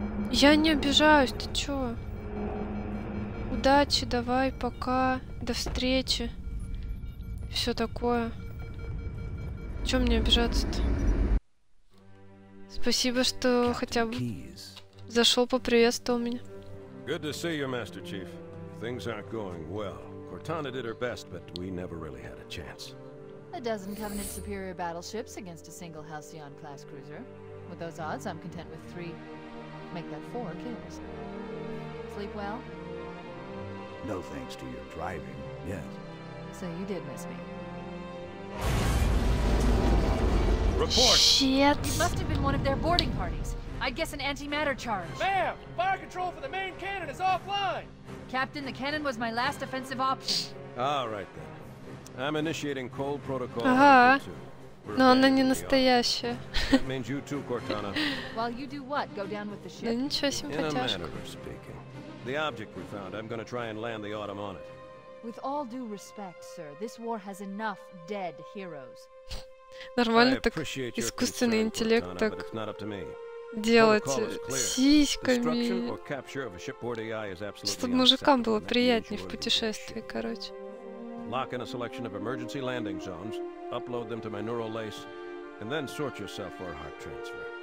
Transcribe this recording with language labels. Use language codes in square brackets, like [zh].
[ru] Я не обижаюсь, ты чё? Удачи, давай, пока, до встречи. Всё такое. Чё мне обижаться-то? Спасибо, что хотя бы зашёл, поприветствовал меня. [en] Good to see you, Master Chief. Things aren't going well. Cortana did her best, but we never really had a chance. A dozen Covenant superior battleships against a single Halcyon class cruiser. With those odds, I'm content with three. Make that four kills. Sleep well? No thanks to your driving, yes. So you did miss me. Report! Shit! You must have been one of their boarding parties. I'd guess an antimatter charge. Ma'am! Fire control for the main cannon is offline! Captain, the cannon was my last offensive option. All right then. I'm initiating cold protocol. [ru] Ага. Но она не настоящая. [en] That means you too, Cortana. While you do what? Go down with the ship? [ru] Да ничего себе потяжка. [en] In a manner of speaking. The object we found, I'm gonna try and land the Autumn on it. With all due respect, sir, this war has enough dead heroes. [ru] Нормально так искусственный интеллект так делать сиськами. Чтобы мужикам было приятнее в путешествии, короче. [en] Lock in a selection of emergency landing zones, upload them to my neural lace, and then sort yourself for a heart transfer.